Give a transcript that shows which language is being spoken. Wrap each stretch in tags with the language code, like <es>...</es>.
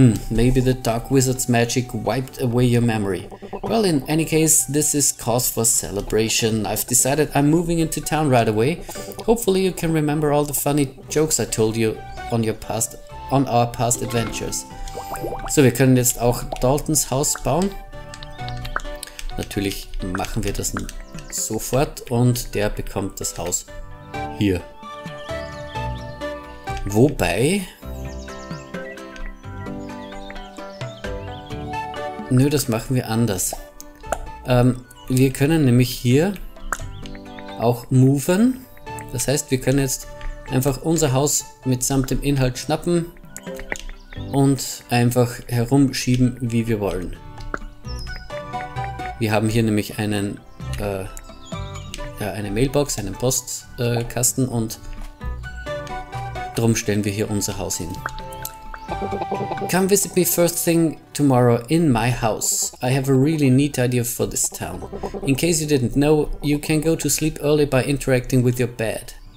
<en>Maybe the dark wizard's magic wiped away your memory. Well, in any case, this is cause for celebration. I've decided I'm moving into town right away. Hopefully you can remember all the funny jokes I told you on our past adventures.</en> <de>So, wir können jetzt auch Daltons Haus bauen. Natürlich machen wir das sofort und der bekommt das Haus hier. Wobei... Nö, das machen wir anders. Wir können nämlich hier auch moven. Das heißt, wir können jetzt einfach unser Haus mitsamt dem Inhalt schnappen und einfach herumschieben, wie wir wollen. Wir haben hier nämlich einen, eine Mailbox, einen Postkasten und darum stellen wir hier unser Haus hin.</de> <en>Come visit me first thing tomorrow in my house. I have a really neat idea for this town. In case you didn't know, you can go to sleep early by interacting with your bed.</en>